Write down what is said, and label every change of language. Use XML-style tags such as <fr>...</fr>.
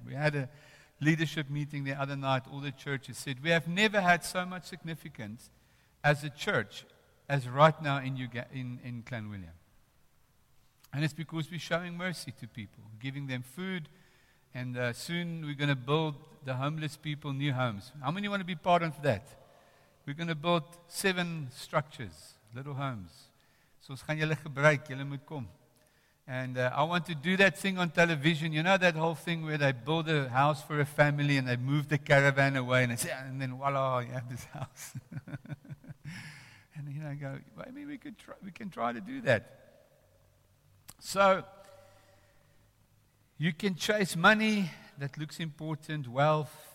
<en>We had a leadership meeting the other night. All the churches said, we have never had so much significance as a church as right now in Clan William. And it's because we're showing mercy to people, giving them food, and soon we're going to build the homeless people new homes. How many want to be part of that? We're going to build 7 structures, little homes.</en> <af>So ons gaan julle gebruik, julle moet kom.</af> <en>And I want to do that thing on television. You know that whole thing where they build a house for a family and they move the caravan away and they say, and then voila, you have this house. And you know, I go, well, I mean, we can try to do that. So you can chase money that looks important, wealth.</en>